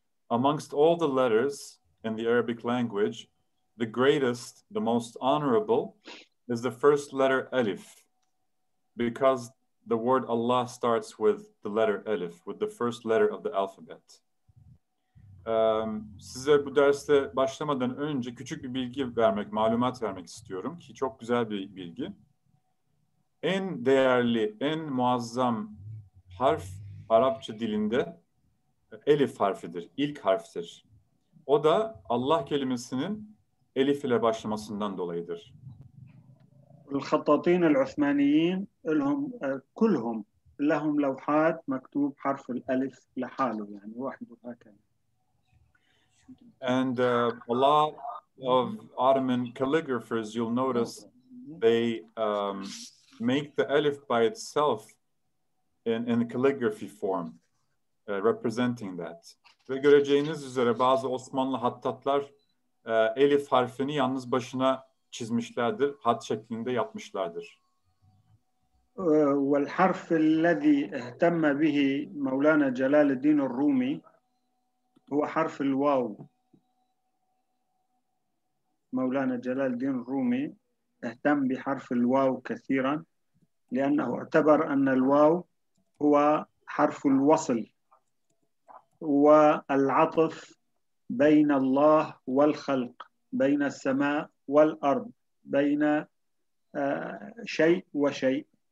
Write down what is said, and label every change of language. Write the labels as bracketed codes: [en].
[en] Amongst all the letters in the Arabic language, the greatest, the most honorable, is the first letter Alif, because the word Allah starts with the letter Alif, with the first letter of the alphabet. [tr] Size bu derste başlamadan önce küçük bir bilgi vermek, malumat vermek istiyorum ki çok güzel bir bilgi. En değerli, en muazzam harf Arapça dilinde Elif harfidir, ilk harftir. O da Allah kelimesinin Elif ile başlamasından dolayıdır. [ar] الخطاطين العثمانيين لهم كلهم لهم لوحات مكتوب حرف الألف لحاله يعني وحده هكذا. [en] And a lot of Ottoman calligraphers, you'll notice, they make the alif by itself in the calligraphy form, representing that. [tr] Ve göreceğiniz üzere bazı Osmanlı hattatlar elif harfini yalnız başına çizmişlerdir, hat şeklinde yapmışlardır. [ar] والحرف الذي اهتم به مولانا جلال الدين الرومي هو حرف الواو. مولانا جلال الدين الرومي اهتم بحرف الواو كثيرا لأنه اعتبر أن الواو هو حرف الوصل والعطف بين الله والخلق، بين السماء والأرض، بين شيء وشيء.